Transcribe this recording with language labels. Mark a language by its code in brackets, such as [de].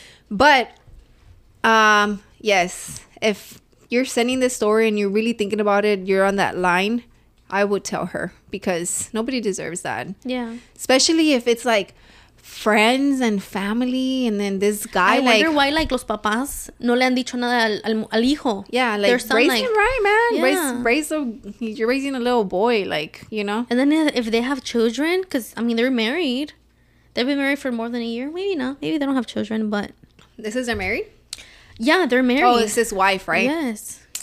[en] But yes, if you're sending this story and you're really thinking about it, you're on that line, I would tell her, because nobody deserves that. Yeah. Especially if it's like friends and family, and then this guy, I wonder why, like, [es] los papás no le han dicho nada al hijo. [en] Yeah, like, their son, raise, like, him right, man. Yeah. You're raising a little boy, like, you know. And then if they have children, because, I mean, they're married. They've been married for more than a year. Maybe not. Maybe they don't have children, but... This is their married? Yeah, they're married. Oh, it's his wife, right? Yes.